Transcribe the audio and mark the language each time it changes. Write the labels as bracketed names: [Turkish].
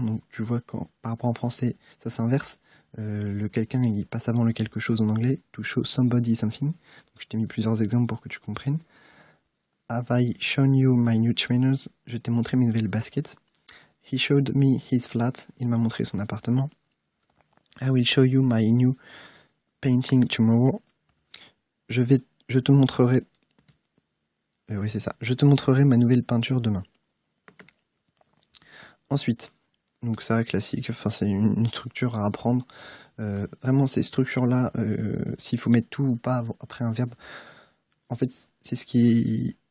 [French] Donc tu vois, quand, par rapport en français, ça s'inverse. Le quelqu'un, il passe avant le quelque chose en anglais. « [English] To show somebody something [French] ». Donc je t'ai mis plusieurs exemples pour que tu comprennes. [English] « Have I shown you my new trainers ?» [French] Je t'ai montré mes nouvelles baskets. [English] He showed me his flat. [French] Il m'a montré son appartement. [English] I will show you my new painting tomorrow. [French] Je te montrerai. Oui, c'est ça. Je te montrerai ma nouvelle peinture demain. Ensuite, donc ça, classique. Enfin, c'est une structure à apprendre. Vraiment, ces structures-là, s'il faut mettre tout ou pas après un verbe, en fait, c'est ce qui.